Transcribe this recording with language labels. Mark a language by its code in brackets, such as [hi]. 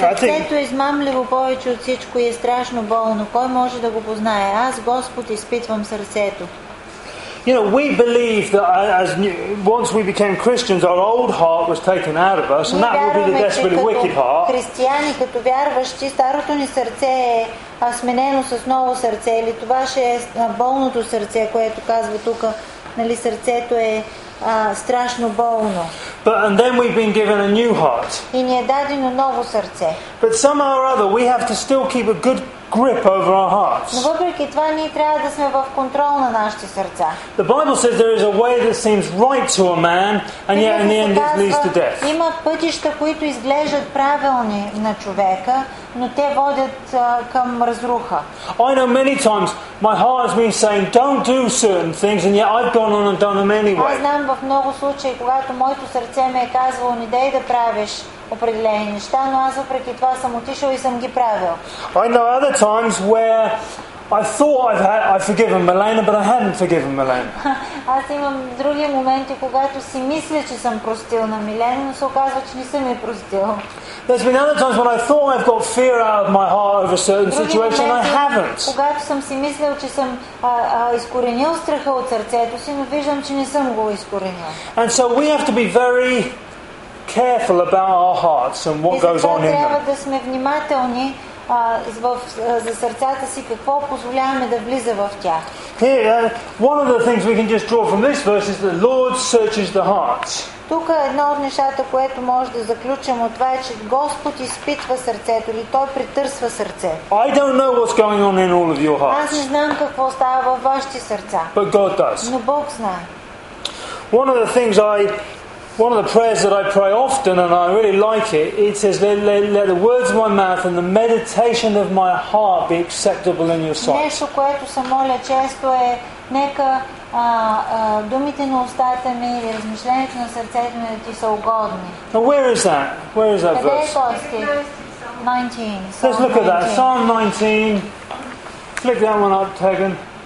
[bg] сърцето измамливо повече от всичко и е страшно болно. Кой може да го познае? Аз, Господ, изпитвам сърцето. [en] You know, we believe that once we became Christians, our old heart was taken out of us, and that would be the desperately wicked heart. [bg] Християни, като вярващи, старото ни сърце е сменено с ново сърце, или това ще е болното сърце, което казва тук, нали, сърцето е страшно болно. [en] But and then we've been given a new heart. [bg] И ни е дадено ново сърце. [en] But somehow or other, we have to still keep a good grip over our hearts. [bg] Но въпреки това ние трябва да сме в контрол на нашите сърца. [en] The Bible says there is a way that seems right to a man, and yet in the end it leads to death. [bg] Има пътища, които изглеждат правилни на човека, но те водят към разруха. [en] I know many times my heart has been saying, "Don't do certain things," and yet I've gone on and done them anyway. [bg] Аз знам в много случаи, когато моето сърце ми е казвало, не дей да правиш определени неща, но аз въпреки това съм отишъл и съм ги правил. [en] I know other times where I thought I've forgiven Melena, but I hadn't forgiven Melena. [bg] Аз имам други моменти, когато си мисля, че съм простил на Милена, но се оказва, че не съм я простил. [en] There's been other times when I thought I've got fear out of my heart over a certain situation, and I haven't. [bg] Когато съм си мислил, че съм изкоренил страха от сърцето си, но виждам, че не съм го изкоренил. [en] And so we have to be very careful about our hearts and what goes on in them. [bg] Трябва да сме внимателни за сърцата си, какво позволяваме да влиза в тях. [en] Here, one of the things we can just draw from this verse is the Lord searches the hearts. [bg] Тук едно от нещата, което може да заключим от това е, че Господ изпитва сърцето или Той притърсва сърце. [en] I don't know what's going on in all of your hearts. [bg] Аз не знам какво става във вашите сърца. [en] But God does. [bg] Но Бог знае. [en] One of the things One of the prayers that I pray often and I really like it, it says, let the words of my mouth and the meditation of my heart be acceptable in your sight. [bg] Нещо, което се моля често е, нека думите на устата ми и размишлението на сърцето ми да ти са угодни. [en] Now where is that? Where is that verse? 19. Let's look at that. Psalm 19. Flick that one up, Tegan.